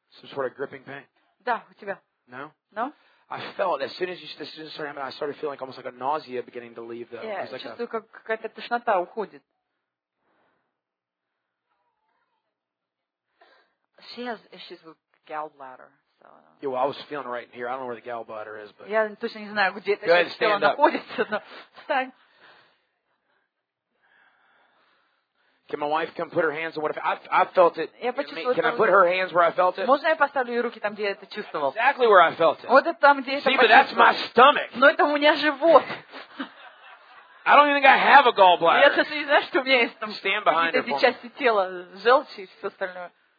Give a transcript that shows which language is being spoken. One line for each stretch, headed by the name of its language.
English: Some sort of gripping pain.
Russian: Да, у тебя.
English: No. No. I felt as soon as you started happening, I started feeling almost like a nausea beginning to leave the.
Russian: Yeah, чувствую, как какая-то тошнота уходит.
English: She has issues with gallbladder. So. Yeah, well, I was feeling right here. I don't know where the gallbladder is, but.
Russian: Yeah, точно не знаю, где это.
English: Good, stand up.
Russian: Встань.
English: Can my wife come put her hands on what I felt it?
Russian: Я почувствовал.
English: Can I put her hands where I felt it?
Russian: Можно я поставлю ее руки там, где я это чувствовал?
English: Exactly where I felt it.
Russian: Вот это там, где я это почувствовал.
English: See, but that's my stomach.
Russian: Но это у меня живот.
English: I don't even think I have a gallbladder.
Russian: Я точно не знаю, что у меня есть там.
English: Stand behind her.
Russian: Какие-то эти части тела, желчь и все остальное.